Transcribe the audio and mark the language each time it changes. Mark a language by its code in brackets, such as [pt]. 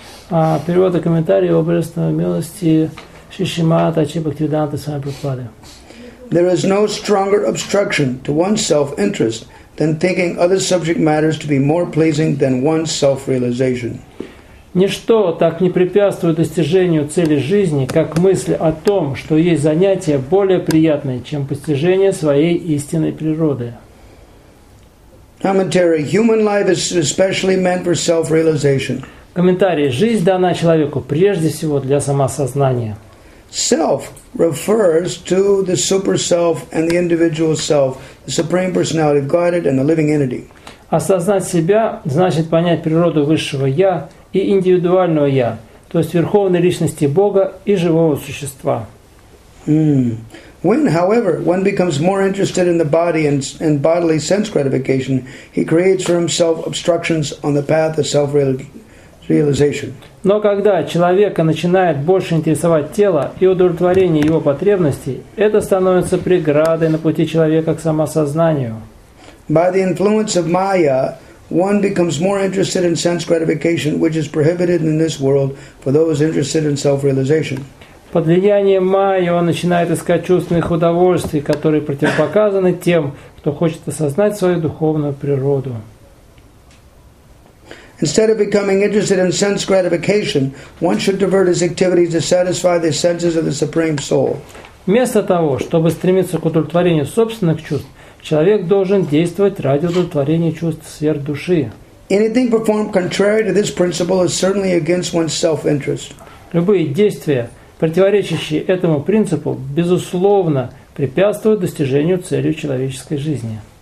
[ru] Перевод и комментарий о божественной милости Шри Шримати Бхактивиданты с вами Прабхупады. [en] There is no stronger obstruction to one's self-interest than thinking other subject matters to be more pleasing than one's self-realization. [ru] Ничто так не препятствует достижению цели жизни, как мысль о том, что есть занятие более приятное, чем постижение своей истинной природы. [en] Commentary: Human life is especially meant for self-realization. [ru] Комментарий. Жизнь дана человеку прежде всего для самосознания. [en] Self refers to the super self and the individual self, the supreme personality of Godhead and the living entity. [ru] Осознать себя значит понять природу высшего я и индивидуального я, то есть верховной личности Бога и живого существа. [en] When, however, one becomes more interested in the body and bodily sense gratification, he creates for himself obstructions on the path of self-realization. [ru] Но когда человека начинает больше интересовать тело и удовлетворение его потребностей, это становится преградой на пути человека к самосознанию. [en] By the influence of Maya, one becomes more interested in sense gratification, which is prohibited in this world for those interested in self-realization. [ru] Под влиянием Майи он начинает искать чувственных удовольствий, которые противопоказаны тем, кто хочет осознать свою духовную природу. [en] Instead of becoming interested in sense gratification, one should divert his activities to satisfy the senses of the Supreme Soul. [ru] Вместо того, чтобы стремиться к удовлетворению собственных чувств, человек должен действовать ради удовлетворения чувств сверхдуши. [en] Anything performed contrary to this principle is certainly against one's self-interest. [ru] Любые действия, противоречащие этому принципу, безусловно препятствуют достижению цели человеческой жизни.